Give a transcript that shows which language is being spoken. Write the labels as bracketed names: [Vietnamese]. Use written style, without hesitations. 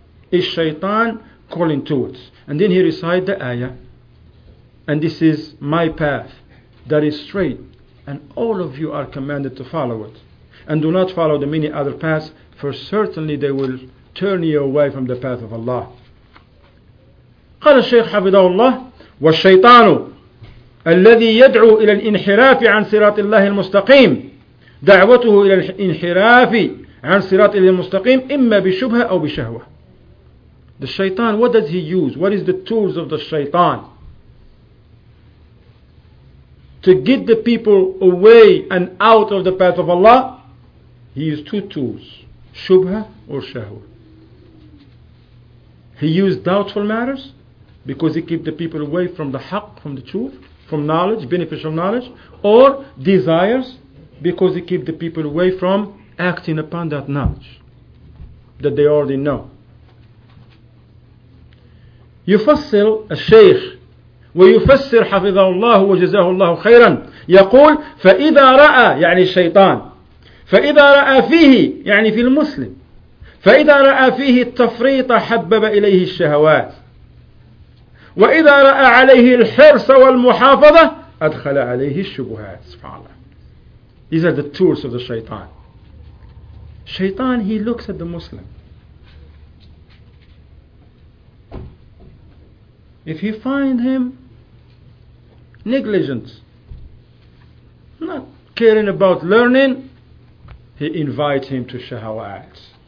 [English] Is shaitan calling to it. And then he recited the ayah. And this is my path that is straight. And all of you are commanded to follow it. And do not follow the many other paths, for certainly they will turn you away from the path of Allah. [Arabic] قال الشيخ حفظه الله والشيطان الذي يدعو إلى الانحراف عن صراط الله المستقيم دعوته إلى الانحراف عن صراط الله المستقيم إما بشبهة أو بشهوة. [English] The shaitan, what does he use? What is the tools of the shaitan to get the people away and out of the path of Allah? He used two tools, shubha or shahwa. He used doubtful matters because he keeps the people away from the haqq, from the truth, from knowledge, beneficial knowledge, or desires because he keeps the people away from acting upon that knowledge that they already know. [Arabic] يفصل الشيخ ويفسر حفظه الله وجزاه الله خيرا، يقول: فإذا رأى، يعني الشيطان، فإذا رأى فيه، يعني في المسلم، فإذا رأى فيه التفريط حبب إليه الشهوات، وإذا رأى عليه الحرص والمحافظة أدخل عليه الشبهات. سبحان الله. [English] These are the tools of the shaitan. Shaitan, he looks at the Muslim. If he finds him negligent, not caring about learning, he invites him to shahawat.